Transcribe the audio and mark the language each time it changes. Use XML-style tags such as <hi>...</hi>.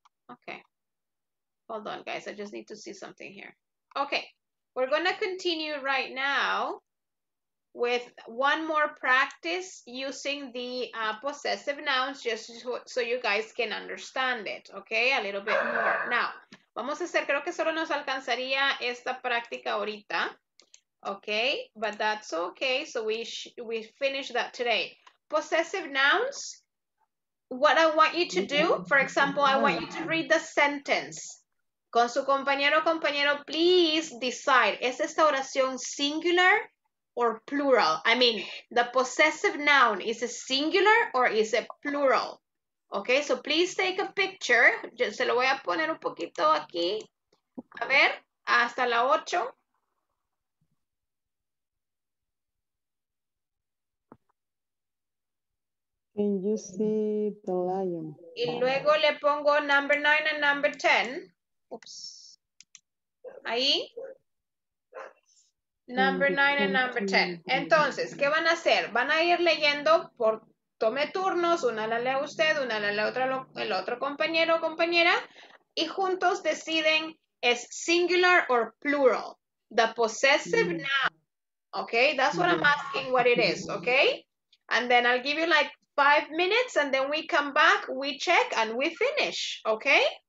<en>Okay. Hold on, guys. I just need to see something here. Okay. We're going to continue right now with one more practice using the possessive nouns, just so you guys can understand it, okay? A little bit more.</en> <es>Now, vamos a hacer, creo que solo nos alcanzaría esta práctica ahorita, okay?</es> <en>But that's okay, so we finish that today. Possessive nouns, what I want you to do, for example, I want you to read the sentence.</en> <es>Con su compañero o compañero,</es> <en>please decide,</en> <es>¿es esta oración singular or plural?</es> <en>I mean, the possessive noun, is it singular or is it plural? Okay, so please take a picture.</en> <es>Yo se lo voy a poner un poquito aquí. A ver, hasta la 8.</es> <en>Can you see the lion?</en> <es>Y luego le pongo</es> <en>number 9 and number 10. Oops.</en> <es>Ahí.</es> <en>Number 9 and number 10.</en> <es>Entonces, ¿qué van a hacer? Van a ir leyendo por tome turnos, una la lee usted, una la lee otra, el otro compañero o compañera, y juntos deciden es singular</es> <en>or plural. The possessive noun. Okay, that's what I'm asking what it is, okay? And then I'll give you like 5 minutes and then we come back, we check and we finish, okay?</en>